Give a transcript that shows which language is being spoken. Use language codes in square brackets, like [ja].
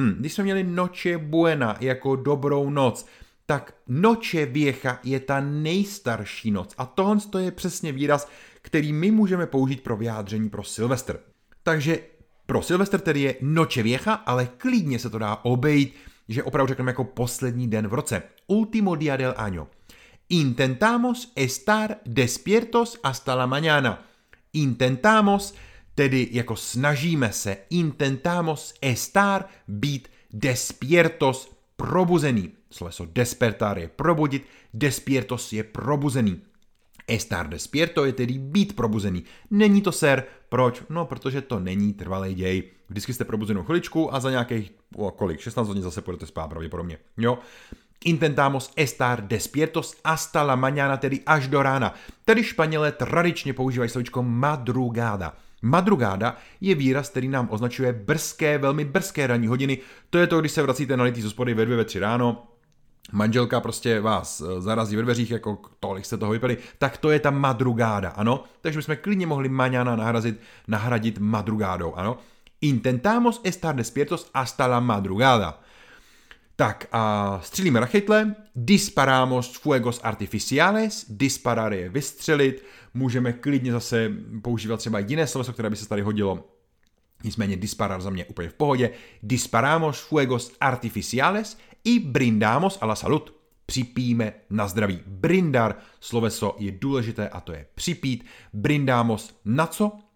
[cs] Když jsme měli Noche Buena jako dobrou noc, tak Noche Vieja je ta nejstarší noc. A tohle je přesně výraz, který my můžeme použít pro vyjádření pro Silvestr. Takže pro Silvestr tedy je noche vieja, ale klidně se to dá obejít, že opravdu řekneme jako poslední den v roce. [es] Último día del año. Intentamos estar despiertos hasta la mañana. [cs] Intentamos, tedy jako snažíme se, intentamos estar, být despiertos, probuzený. Sloveso despertar je probudit, despiertos je probuzený. [es] Estar despierto [cs] je tedy být probuzený. Není to ser, proč? No, protože to není trvalý děj. Vždycky jste probuzenou chviličku a za nějakých, kolik, 16 hodin zase půjdete spát pravděpodobně. Jo? [es] Intentamos estar despiertos hasta la mañana, [cs] tedy až do rána. Tedy Španělé tradičně používají slovičko madrugada. Madrugada je výraz, který nám označuje brzké, velmi brzké ranní hodiny. To je to, když se vracíte nalitý z hospody ve 2, ve 3 ráno. Manželka prostě vás zarazí ve dveřích, jako tolik jste toho vypili, tak to je ta madrugada, ano? Takže bychom klidně mohli mañana nahradit madrugádou, ano? [es] Intentamos estar despiertos hasta la madrugada. [cs] Tak a střílíme rachytle, [es] disparamos fuegos artificiales, disparar je vystřelit, můžeme klidně zase používat třeba jiné sloveso, které by se tady hodilo, nicméně disparar za mě úplně v pohodě, disparamos fuegos artificiales i brindamos a la salud, [cs] připijeme na zdraví, brindar, sloveso je důležité a to je připít, brindamos na co?